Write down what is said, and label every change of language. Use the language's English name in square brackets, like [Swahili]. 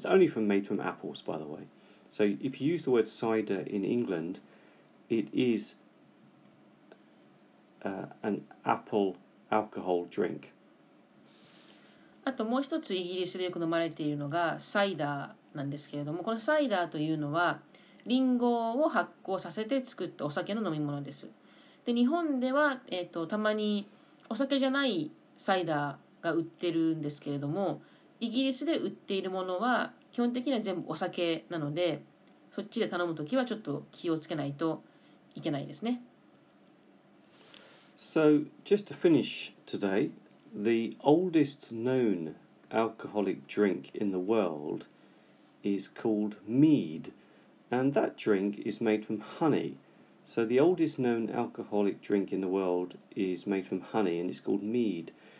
[English] It's only made from apples, by the way. So if you use the word cider in England, it is an apple alcohol drink. [Japanese] あともう一つイギリスでよく飲まれているのがサイダーなんですけれども、このサイダーというのはリンゴを発酵させて作ったお酒の飲み物です。で、日本では、たまにお酒じゃないサイダーが売ってるんですけれども、イギリスで売っているものは基本的には全部お酒なので、そっちで頼むときはちょっと気をつけないといけないですね。 [English] So just to finish today, the oldest known alcoholic drink in the world is called mead. And that drink is made from honey. So the oldest known alcoholic drink in the world is made from honey, and it's called mead.